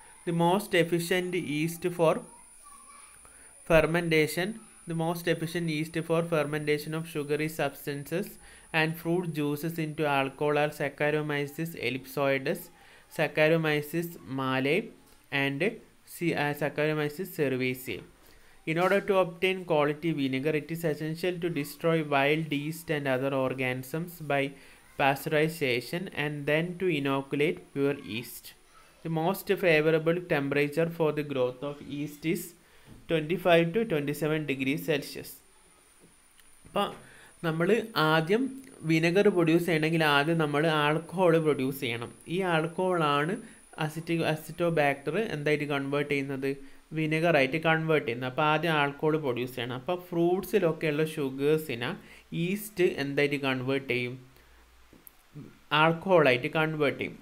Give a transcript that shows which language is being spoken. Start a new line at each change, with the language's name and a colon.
English: The most efficient yeast for fermentation the most efficient yeast for fermentation of sugary substances and fruit juices into alcohol are Saccharomyces ellipsoideus, Saccharomyces mali and Saccharomyces cerevisiae. In order to obtain quality vinegar, it is essential to destroy wild yeast and other organisms by pasteurization and then to inoculate pure yeast. The most favorable temperature for the growth of yeast is 25 to 27 degrees Celsius.
Malayalam: അപ്പോൾ നമ്മൾ ആദ്യം vinegar produce ചെയ്യണമെങ്കിൽ ആദ്യം നമ്മൾ alcohol produce ചെയ്യണം. ഈ ആൽക്കഹോളാണ് അസിറ്റോബാക്ടർ എന്തായിട്ട് convert ചെയ്യുന്നത്, വിനെഗറായിട്ട് കൺവേർട്ട് ചെയ്യുന്നത്. അപ്പോൾ ആദ്യം ആൽക്കോൾ പ്രൊഡ്യൂസ് ചെയ്യണം. അപ്പോൾ ഫ്രൂട്ട്സിലൊക്കെയുള്ള ഷുഗേഴ്സിനെ ഈസ്റ്റ് എന്തായിട്ട് കൺവേർട്ട് ചെയ്യും, ആൽക്കോളായിട്ട് കൺവേർട്ട് ചെയ്യും.